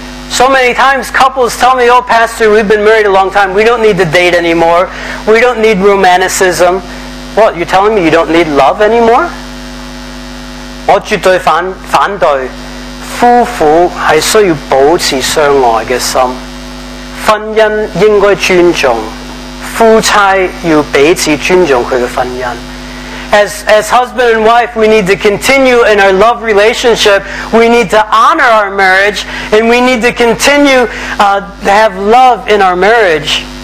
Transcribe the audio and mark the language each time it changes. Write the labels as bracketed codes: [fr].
[en] So many times couples tell me, oh pastor, we've been married a long time, we don't need to date anymore, we don't need romanticism. What, you're telling me you don't need love anymore? [zh] 我絕對反對，夫婦是需要保持相愛的心，婚姻應該尊重，夫妻要彼此尊重他的婚姻。 [en] As husband and wife, we need to continue in our love relationship. We need to honor our marriage. And we need to continue to have love in our marriage.